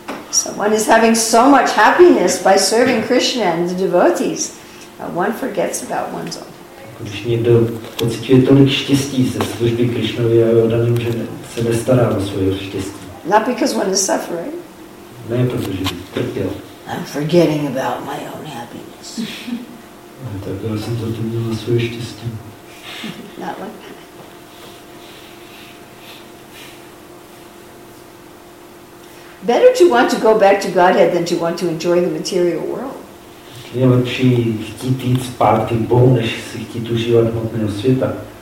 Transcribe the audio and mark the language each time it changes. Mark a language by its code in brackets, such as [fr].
[en] Someone is having so much happiness by serving Krishna and the devotees, and one forgets about one's own. [cs] Když někdo pocituje tolik štěstí ze služby Krišnovi a jeho daným, že se nestará o svoje štěstí. [en] Not because one is suffering. [cs] Ne, protože trpěl. [en] I'm forgetting about my own happiness. [cs] Tak já jsem zapomněl na svoje štěstí. [en] Not like that. Better to want to go back to Godhead than to want to enjoy the material world. [cs] Je lepší chtít jít zpátky k Bohu, než si chtít užívat hmotného světa.